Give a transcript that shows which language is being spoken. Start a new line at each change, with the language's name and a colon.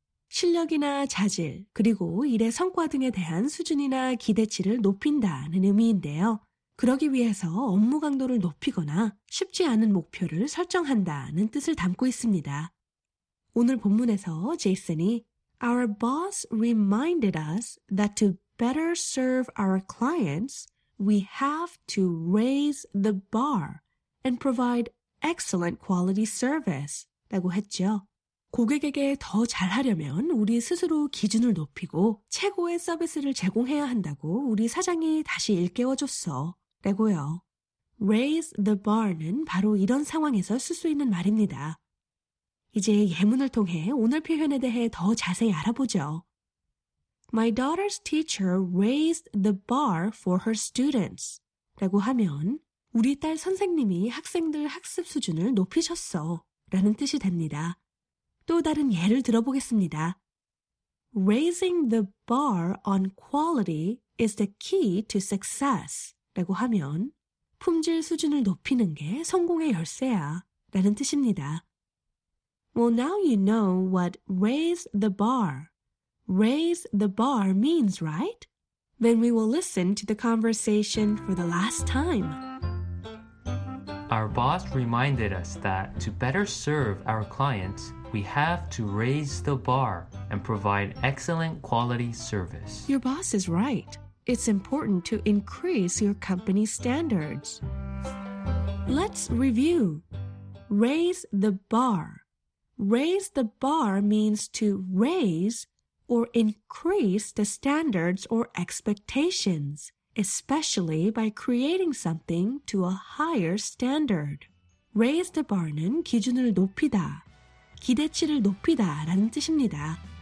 Korean: 실력이나 자질, 그리고 일의 성과 등에 대한 수준이나 기대치를 높인다는 의미인데요. 그러기 위해서 업무 강도를 높이거나 쉽지 않은 목표를 설정한다는 뜻을 담고 있습니다. 오늘 본문에서 제이슨이
English: Our boss reminded us that to better serve our clients, we have to raise the bar and provide excellent quality service.
Korean: 라고 했죠. 고객에게 더 잘하려면 우리 스스로 기준을 높이고 최고의 서비스를 제공해야 한다고 우리 사장이 다시 일깨워줬어. 라고요.
English: Raise the bar
Korean: 는 바로 이런 상황에서 쓸 수 있는 말입니다. 이제 예문을 통해 오늘 표현에 대해 더 자세히 알아보죠.
English: My daughter's teacher raised the bar for her students.
Korean: 라고 하면 우리 딸 선생님이 학생들 학습 수준을 높이셨어 라는 뜻이 됩니다. 또 다른 예를 들어보겠습니다.
English: Raising the bar on quality is the key to success.
Korean: 라고 하면 품질 수준을 높이는 게 성공의 열쇠야 라는 뜻입니다.
English: Well, now you know what raise the bar means, right? Then we will listen to the conversation for the last time. Our boss reminded us that to better serve our clients, we have to raise the bar and provide excellent quality service. Your boss is right. It's important to increase your company's standards. Let's review. Raise the bar. Raise the bar means to raise or increase the standards or expectations, especially by creating something to a higher standard. Raise the bar는
Korean: 기준을 높이다, 기대치를 높이다라는 뜻입니다.